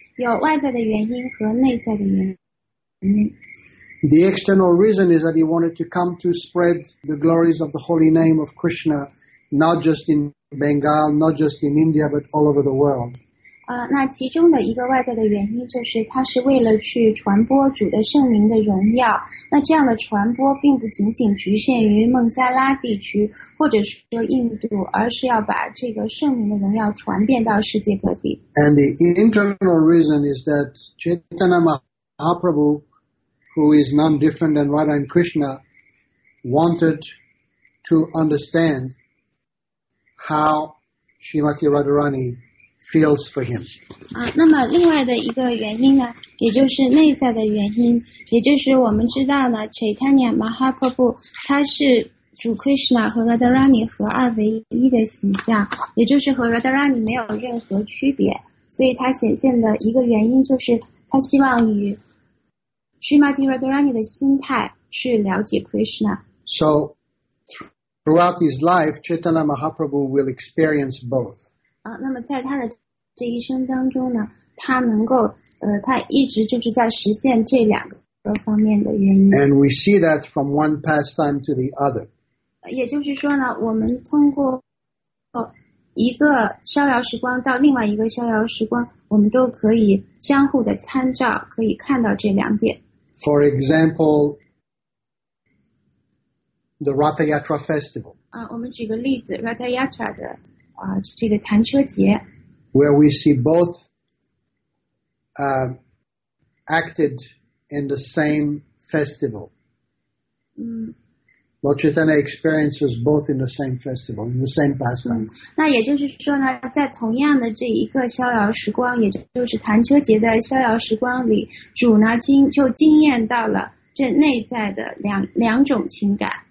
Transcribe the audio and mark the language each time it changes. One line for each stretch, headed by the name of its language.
Chinese: 有外在的原因和内在的原因。
English: The external reason is that he wanted to come to spread the glories of the holy name of Krishna, not just in Bengal, not just in India, but all over the world.
Chinese: 那其中的一个外在的原因就是他是为了去传播主的圣灵的荣耀。那这样的传播并不仅仅局限于孟加拉地区或者说印度，而是要把这个圣灵的荣耀传遍到世界各地。
English: And the internal reason is that Chaitanya Mahaprabhu. Who is none different than Radha and Krishna wanted to understand how Srimati Radharani feels for him.
Chinese: 那么另外的一个原因呢，也就是内在的原因，也就是我们知道呢 ，Chaitanya Mahaprabhu 他是主 Krishna 和 Radharani 合二为一的形象，也就是和 Radharani 没有任何区别，所以他显现的一个原因就是他希望与。 Srimati Radharani 的心态去了解 Krishna.
English: So, throughout his life, Chaitanya Mahaprabhu will experience both.
Chinese: 那么在他的这一生当中呢，他能够他一直就是在实现这两个方面的原因。
English: And we see that from one pastime to the other.
Chinese: 也就是说呢，我们通过一个逍遥时光到另外一个逍遥时光，我们都可以相互的参照，可以看到这两点。
English: For example, the Ratha Yatra festival.
Chinese: 我们举个例子 ，Ratha Yatra 的这个弹车节
English: ，where we see both acted in the same festival. Lord Chaitanya experiences both in the same festival, in the same pastime.
Chinese: 那也就是说呢，在同样的这一个逍遥时光，也就是弹车节的逍遥时光里，主呢就经验到了这内在的两种情感。